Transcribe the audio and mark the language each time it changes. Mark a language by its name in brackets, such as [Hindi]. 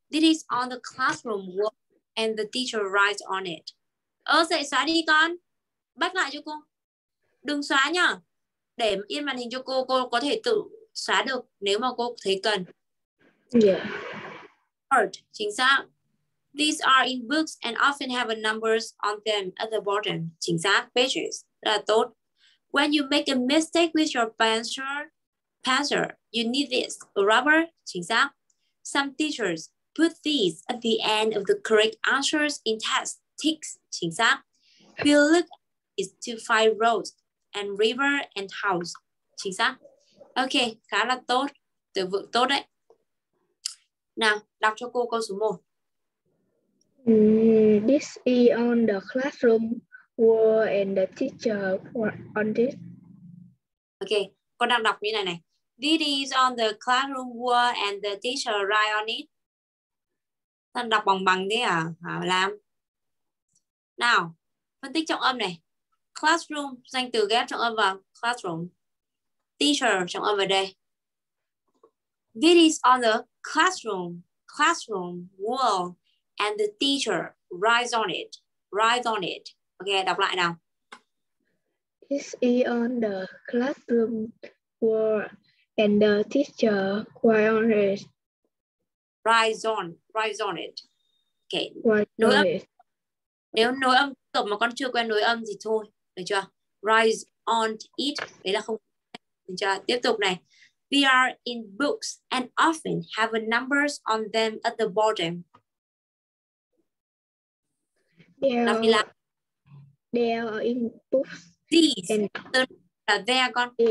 [English] This is on the classroom wall and the teacher writes on it. [Vietnamese] Dậy xóa đi con. Bắt lại cho cô. Đừng xóa nhá. Để yên màn hình cho cô có thể tự xóa được nếu mà cô thấy cần. [English] Yeah. [Vietnamese] Word, chính xác. [English] These are in books and often have a numbers on them at the bottom. [Vietnamese] Chính xác, [English] pages. [Vietnamese] Là tốt. [English] When you make a mistake with your pencil, you need this rubber. Chính xác. Some teachers put these at the end of the correct answers in test. Ticks. [Vietnamese] Chính xác. [English] We'll look at these to find roads and river and house. [Vietnamese] Chính xác. Okay, khá là tốt. Từ vựng tốt đấy. Nào, đọc cho cô câu số 1. [English] This is on the classroom were and the teacher were on it. [Vietnamese] Okay, con đang đọc như này này. [English] This is on the classroom wall and the teacher write on it. [Vietnamese] Con đọc bằng bằng đi à, Hảo Lam. Nào, phân tích trọng âm này. Classroom, danh từ ghép trọng âm vào classroom. [English] Teacher, [Vietnamese] trọng âm ở đây. [English] This is on the classroom. Classroom, wall, and the teacher writes on it. Writes on it. Ok, [Vietnamese] đọc lại nào. [English] This is on the classroom wall and the teacher writes on it. Writes on. Writes on it. Ok, [Vietnamese] nối âm. Nếu nối âm cộng mà con chưa quen nối âm thì thôi. Được chưa? [English] Rise on it. [Vietnamese] Đấy là không. Được chưa? Tiếp tục này. [English] We are in books and often have a numbers on them at the bottom. They are in books. These. And they are gone.